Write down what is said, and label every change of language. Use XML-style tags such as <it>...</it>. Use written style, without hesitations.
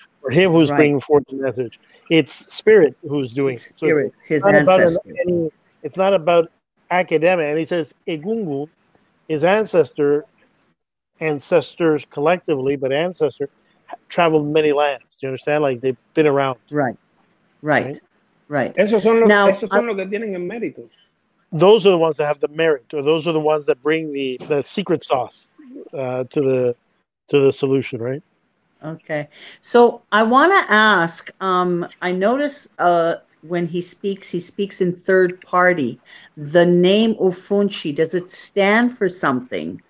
<en>or him who's right. bringing forth the message. It's spirit who's doing it's spirit, it. So it's his ancestors. It's not about academic. And he says, Egungu, his ancestor, ancestors collectively, but ancestor traveled many lands. Do you understand? Like they've been around. Right. Right. Right.</en> <es>Esos son los, now, esos son los que tienen el mérito.</es> <en>Those are the ones that have the merit, or those are the ones that bring the secret sauce to the solution, right? Okay. So I want to ask, I notice when he speaks in third party. The name Ufunchi, does it stand for something?</en>